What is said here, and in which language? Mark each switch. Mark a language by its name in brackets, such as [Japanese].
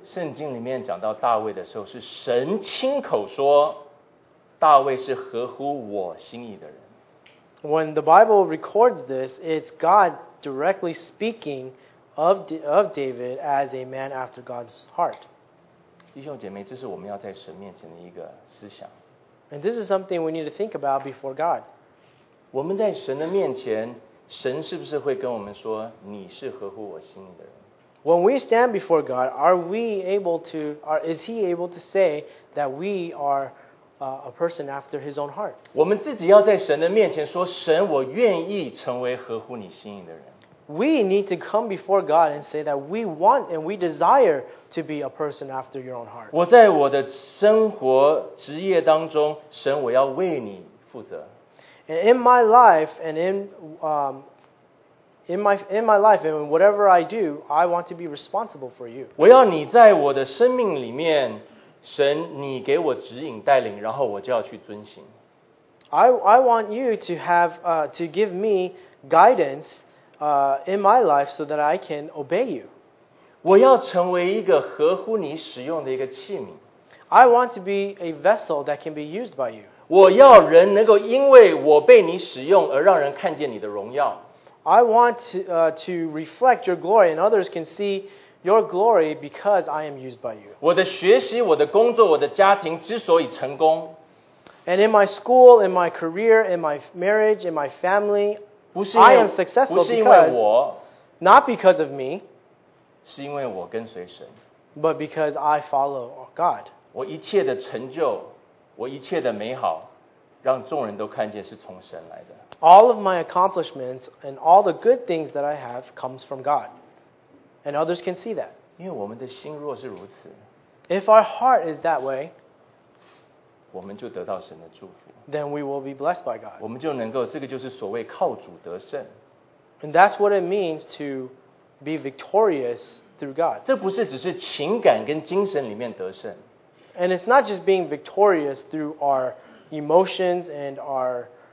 [Chinese] 圣经里面讲到大卫的时候，是神亲口说，大卫是合乎我心意的人。 [English] When the Bible records this, it's God directly speaking of David as a man after God's heart. [Chinese] 弟兄姐妹，这是我们要在神面前的一个思想。 [English] And this is something we need to think about before God. [Chinese] 我们在神的面前，神是不是会跟我们说，你是合乎我心意的人？ [English] When we stand before God, is he able to say that we are a person after his own heart? [Chinese] 我们自己要在神的面前说，神，我愿意成为合乎你心意的人。 [English] We need to come before God and say that we want and we desire to be a person after your own heart. [Chinese] 我在我的生活职业当中，神，我要为你负责。 [English] In my life and in my life and whatever I do, I want to be responsible for you. [Chinese] 我要你在我的生命里面，神，你给我指引带领，然后我就要去遵行。 [English] I want you to have to give me guidance in my life so that I can obey you. [Chinese] 我要成为一个合乎你使用的一个器皿。 [English] I want to be a vessel that can be used by you. [Chinese] 我要人能够因为我被你使用而让人看见你的荣耀。 [English] I want to reflect your glory and others can see your glory because I am used by you. [Chinese] 我的学习、我的工作、我的家庭之所以成功。 [English] And in my school, in my career, in my marriage, in my family, I am successful not because of me, [Chinese] 是因为我跟随神。 [English] But because I follow God. [Chinese] 我一切的成就，我一切的美好，让众人都看见是从神来的。 [English] All of my accomplishments and all the good things that I have comes from God. And others can see that. [Chinese] 因为我们的心若是如此， [English] If our heart is that way, [Chinese] 我们就得到神的祝福。 [English] Then we will be blessed by God. [Chinese] 我们就能够，这个就是所谓靠主得胜。 [English] And that's what it means to be victorious through God. [Chinese] 这不是只是情感跟精神里面得胜。 [English] And it's not just being victorious through our emotions and our